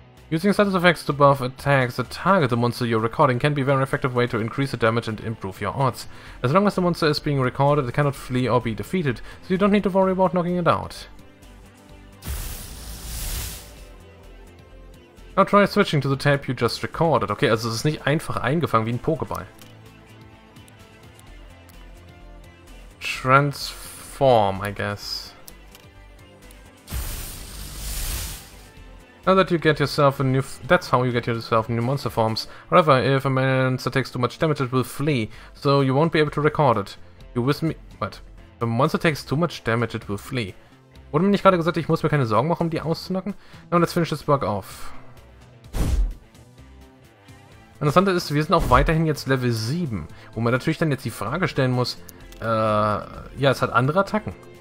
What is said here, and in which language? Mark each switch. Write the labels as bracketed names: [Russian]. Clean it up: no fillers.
[English] Using status effects to buff attacks that target the monster you're recording can be a very effective way to increase the damage and improve your odds. As long as the monster is being recorded, it cannot flee or be defeated, so you don't need to worry about knocking it out. Now try switching to the tape you just recorded. [German] Okay, also es ist nicht einfach eingefangen wie ein Pokéball. [English] Transform, I guess. Now that you get yourself a new... That's how you get yourself new monster forms. However, if a monster takes too much damage, it will flee. So you won't be able to record it. You with me... What? If a monster takes too much damage, it will flee. [German] Wurde mir nicht gerade gesagt, ich muss mir keine Sorgen machen, um die auszunocken? [English] Now let's finish this bug off. [German] Interessant ist, wir sind auch weiterhin jetzt Level 7. Wo man natürlich dann jetzt die Frage stellen muss, ja, es hat andere Attacken.